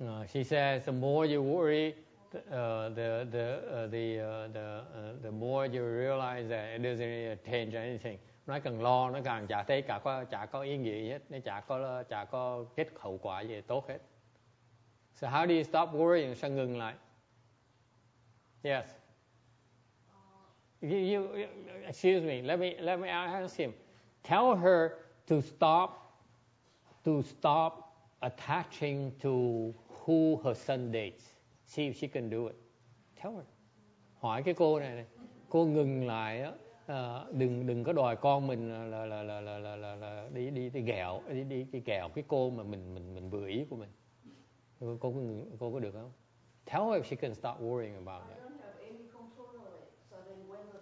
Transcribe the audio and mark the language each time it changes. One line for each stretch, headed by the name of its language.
English: She says the more you worry, the more you realize that it doesn't change anything.
Vietnamese: Nó càng lo nó càng chả thấy cả có chả có ý nghĩa hết, nó chả có kết hậu quả gì tốt hết.
English: So how do you stop worrying?
Vietnamese: Sao ngừng lại?
English: Yes. You excuse me. Let me ask him. Tell her to stop attaching to who her son dates. See if she can do it. Tell her.
Vietnamese: Hỏi cái cô này, này. Cô ngừng lại á, đừng có đòi con mình là đi ghẹo cái cô mà mình vừa ý của mình. Cô có được không?
English: Tell her if she can start worrying about it. I don't have any control over it. So then when